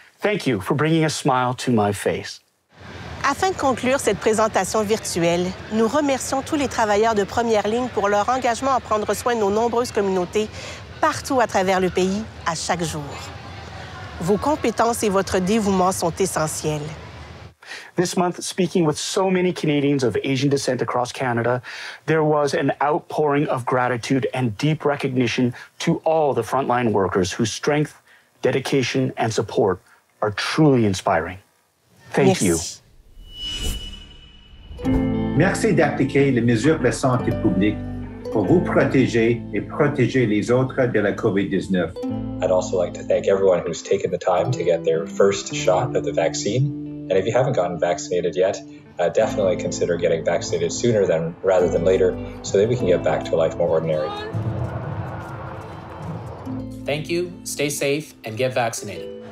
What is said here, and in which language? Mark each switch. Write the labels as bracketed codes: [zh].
[en] Thank you for bringing a smile to my face. [fr] Afin de conclure cette présentation virtuelle, nous remercions tous les travailleurs de première ligne pour leur engagement à prendre soin de nos nombreuses communautés partout à travers le pays, à chaque jour. Vos compétences et votre dévouement sont essentiels. [en] This month, speaking with so many Canadians of Asian descent across Canada, there was an outpouring of gratitude and deep recognition to all the frontline workers whose strength, dedication, and support are truly inspiring. Thank you. [fr] Merci d'appliquer les mesures de santé publique pour vous protéger et protéger les autres de la COVID-19. [en] I'd also like to thank everyone who's taken the time to get their first shot of the vaccine. And if you haven't gotten vaccinated yet, definitely consider getting vaccinated sooner than rather than later so that we can get back to a life more ordinary. Thank you, stay safe, and get vaccinated.